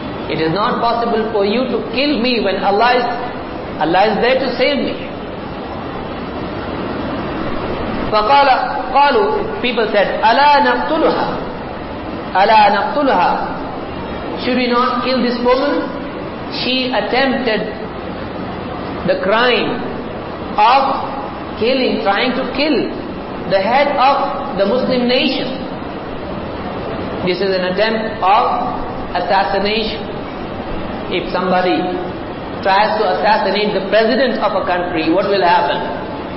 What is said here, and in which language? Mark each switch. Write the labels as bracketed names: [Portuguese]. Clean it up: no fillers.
[English] It is not possible for you to kill me when Allah is there to save me. [Arabic] فقالوا, [English] people said, [Arabic] ألا نقتلها? [English] Should we not kill this woman? She attempted the crime of killing, trying to kill the head of the Muslim nation. This is an attempt of assassination. If somebody tries to assassinate the president of a country, what will happen?